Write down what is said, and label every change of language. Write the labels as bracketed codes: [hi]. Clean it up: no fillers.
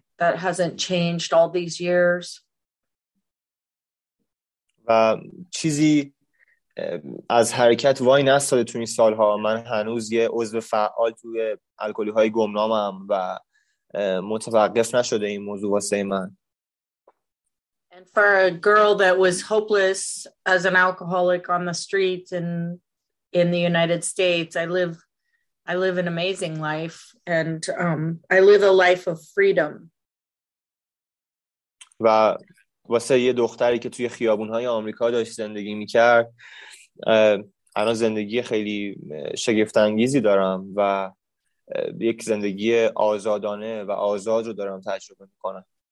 [en] That hasn't changed all these years. [fa] و چیزی از حرکت وای نستاده تو این سالها. من هنوز یه عضو فعال توی الکلی های گمنامم و متوقف نشده این موضوع واسه من. [en] And for a girl that was hopeless as an alcoholic on the street and in the United States, I live an amazing life and I live a life of freedom. [fa] و واسه یه دختری که توی خیابون‌های آمریکا داشت زندگی می‌کرد، الان زندگی خیلی شگفت‌انگیزی دارم و یک زندگی آزادانه و آزاد رو دارم تجربه می‌کنم.